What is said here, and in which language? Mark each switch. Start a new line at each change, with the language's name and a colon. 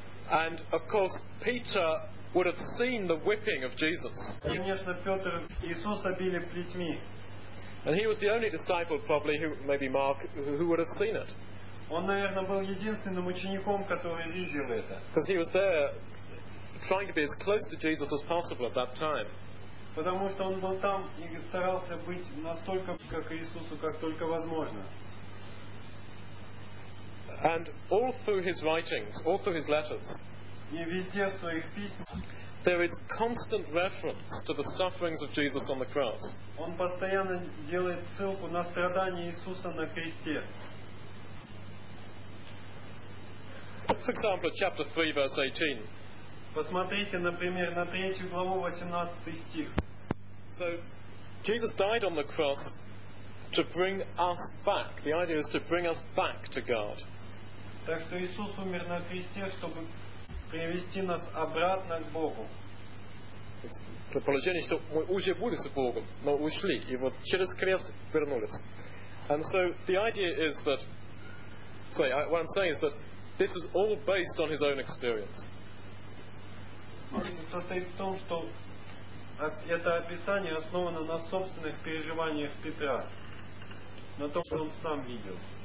English: And of course Peter would have seen the whipping of Jesus.
Russian: Конечно, Петр, Иисуса били плетьми.
English: And he was the only disciple, probably, who maybe Mark, who would have seen it.
Russian: Он, наверное, был единственным учеником, который видел это.
English: Because he was there, trying to be as close to Jesus as possible at that time.
Russian: Потому что он был там и старался быть настолько как Иисусу, как только возможно.
English: And all through his writings, all through his letters,
Russian: и везде в своих письмах,
English: there is constant reference to the sufferings of Jesus on the cross.
Russian: Он постоянно делает ссылку на страдания Иисуса на кресте.
English: For example, chapter 3, verse 18.
Russian: Посмотрите, например, на 3 главу, 18 стих.
English: So, Jesus died on the cross to bring us back. The idea is to bring us back to God.
Russian: Так что Иисус умер на кресте, чтобы привести нас обратно к Богу. В положении, что мы уже были с Богом, но ушли, и вот через крест вернулись.
English: And so, the idea is that, what I'm saying is that this was all based on his own experience.
Russian: Состоит в том, что это описание основано на собственных переживаниях Петра, на том, что он сам видел.